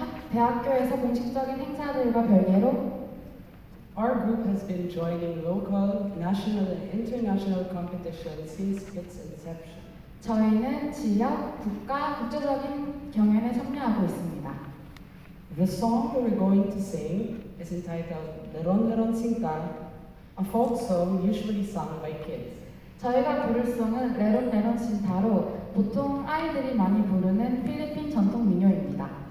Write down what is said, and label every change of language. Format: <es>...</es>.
<ko>대학교에서 공식적인 행사들과 별개로</ko> <en>Our group has been joining local, national, and international competitions since its inception.</en> <ko>저희는 지역, 국가, 국제적인 경연에 참여하고 있습니다.</ko> <en>The song we're going to sing is entitled 내런내런 싱탈, a folk song usually sung by kids.</en> <ko>저희가 부를 송은 레론 레론 신타로 보통 아이들이 많이 부르는 필리핀 전통 민요입니다.</ko>